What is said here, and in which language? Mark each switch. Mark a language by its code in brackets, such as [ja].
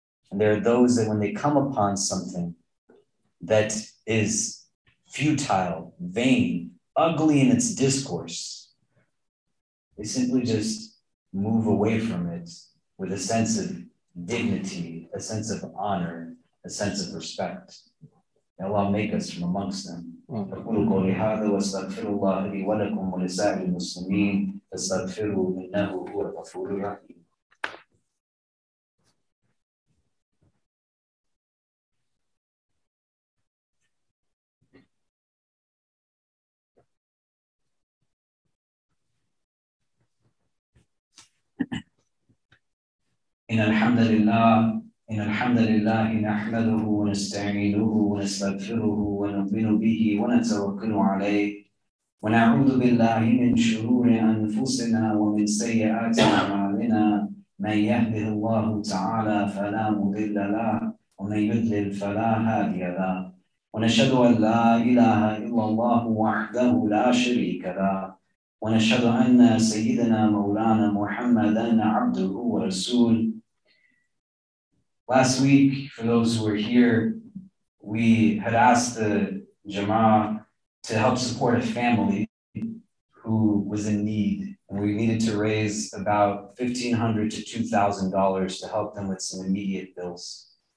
[en] And there are those that when they come upon something that is futile, vain, ugly in its discourse, they simply just move away from it with a sense of dignity, a sense of honor, a sense of respect. May Allah make us from amongst them. [ar] أقول قولي هذا وأستغفر الله لي ولكم ولسائر المسلمين فاستغفروه إنه هو الغفور الرحيم. إن الحمد لله إن الحمد لله نحمده ونستعينه ونستغفره ونؤمن به ونتوكل عليه ونعوذ بالله من شرور أنفسنا ومن سيئات أعمالنا من يهده الله تعالى فلا مضل له ومن يضلل فلا هادي له ونشهد أن لا إله إلا الله وحده لا شريك له ونشهد أن سيدنا مولانا محمدا عبده ورسوله. [en] Last week, for those who were here, we had asked the Jama'ah to help support a family who was in need, and we needed to raise about $1,500 to $2,000 to help them with some immediate bills.